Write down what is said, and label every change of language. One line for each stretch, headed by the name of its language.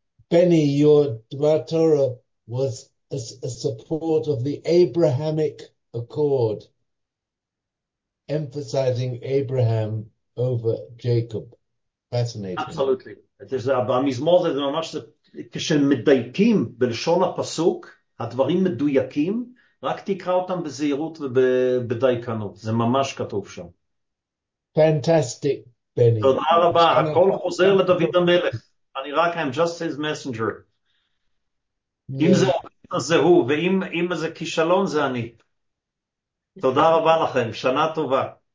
English: Benny, your Dvar Torah was a support of the Abrahamic Accord, emphasizing Abraham over Jacob. Fascinating. Absolutely.
Hebrew: המזמור הזה זה ממש, כשמדייקים בלשון הפסוק, הדברים מדויקים, רק תקרא אותם בזהירות ובדייקנות. זה ממש כתוב שם.
English: Fantastic, Benny.
Hebrew: תודה רבה. הכל חוזר לדוד המלך. אני רק,
English: I'm just his messenger.
Hebrew: אם זה עובד, אז זה הוא, ואם זה כישלון, זה אני. תודה רבה לכם. שנה טובה.